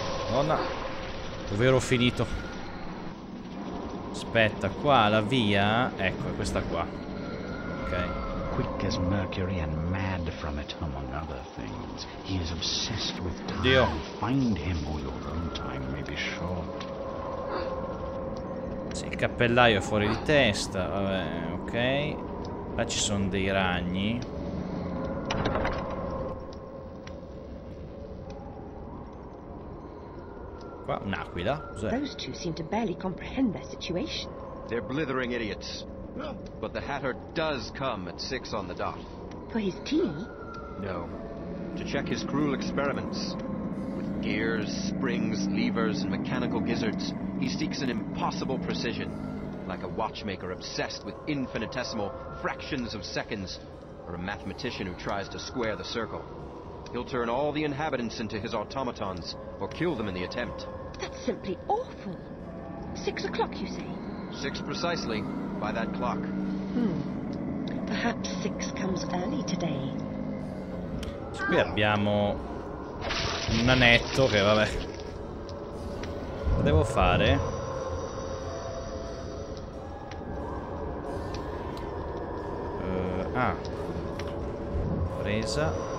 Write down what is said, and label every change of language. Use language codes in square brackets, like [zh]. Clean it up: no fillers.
[it] Madonna, dove ero finito? Aspetta, qua la via, ecco, è questa qua. Ok. [en] Quick as Mercury and mad from it among other things. He is obsessed with time. Dio. Find him or your own time may be short. [it] Sì, il cappellaio è fuori di testa, vabbè, ok. Là ci sono dei ragni. Qua un'aquila. [en] Those two seem to barely comprehend their situation. They're blithering idiots. But the Hatter does come at 6 on the dot. For his tea? No. To check his cruel experiments. With gears, springs, levers, and mechanical gizzards, he seeks an impossible precision. Like a watchmaker obsessed with infinitesimal fractions of seconds, or a mathematician who tries to square the circle. He'll turn all the inhabitants into his automatons, or kill them in the attempt. That's simply awful. 6 o'clock, you say? 6 precisely, by that clock. Perhaps 6 comes early today. [it] Qui abbiamo un nanetto che, vabbè. Lo devo fare? Presa.